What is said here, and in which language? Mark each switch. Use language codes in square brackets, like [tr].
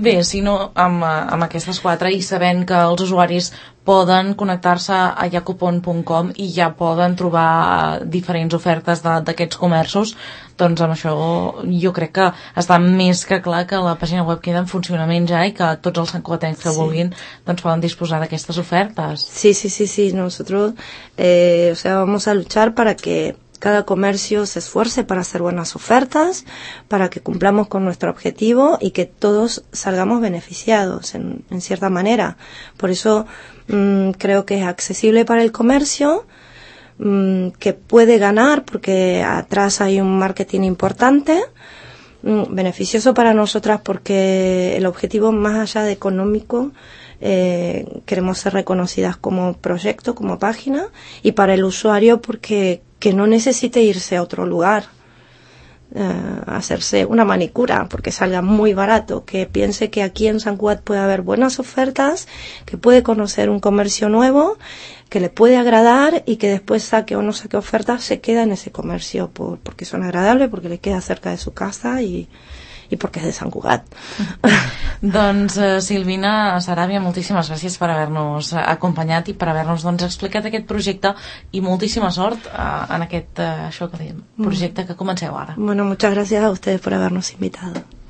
[ca] Bé, si no, amb aquestes 4 i sabent que els usuaris poden connectar-se a yacupon.com i ja poden trobar diferents ofertes d'aquests comerços, doncs amb això jo crec que està més que clar que la pàgina web queda en funcionament ja i que tots els sancugatencs que, sí, vulguin, doncs poden disposar d'aquestes ofertes. [es] Sí. Nosotros, o sea, vamos a luchar para que cada comercio se esfuerce para hacer buenas ofertas, para que cumplamos con nuestro objetivo y que todos salgamos beneficiados en cierta manera. Por eso creo que es accesible para el comercio, que puede ganar porque atrás hay un marketing importante, beneficioso para nosotras porque el objetivo más allá de económico, queremos ser reconocidas como proyecto, como página, y para el usuario porque que no necesite irse a otro lugar a hacerse una manicura porque salga muy barato, que piense que aquí en San Cugat puede haber buenas ofertas, que puede conocer un comercio nuevo que le puede agradar y que después saque o no saque ofertas, se queda en ese comercio porque son agradables, porque le queda cerca de su casa y porque es de San Cugat. [ca] Doncs Silvina Saràbia, moltíssimes gràcies per haver-nos acompanyat i per haver-nos doncs, explicat aquest projecte i moltíssima sort en aquest això que dèiem, projecte que comenceu ara. [es] Bueno, muchas gracias a ustedes por habernos invitado.